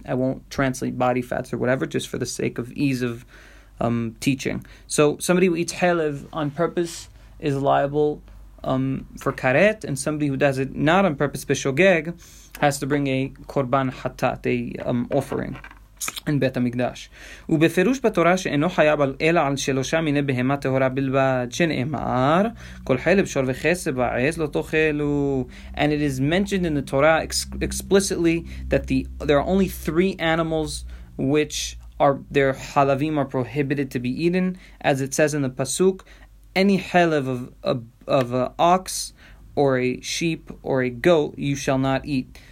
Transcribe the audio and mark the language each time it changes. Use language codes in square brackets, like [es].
[en] I won't translate body fats or whatever, just for the sake of ease of teaching. So somebody who eats chelev on purpose is liable for karet, and somebody who does it not on purpose, b'shogeg, has to bring a korban hatat, a offering in Beit HaMikdash. [he] ובפירוש בתורה שאינו חייב אלא על שלושה מיני בהמה טהורה בלבד, שנאמר, כל חלב שור וחסב ועז לא תאכלו. [en] And it is mentioned in the Torah explicitly that there are only three animals which are their halavim are prohibited to be eaten, as it says in the Pasuk, any chelev of an ox or a sheep or a goat you shall not eat.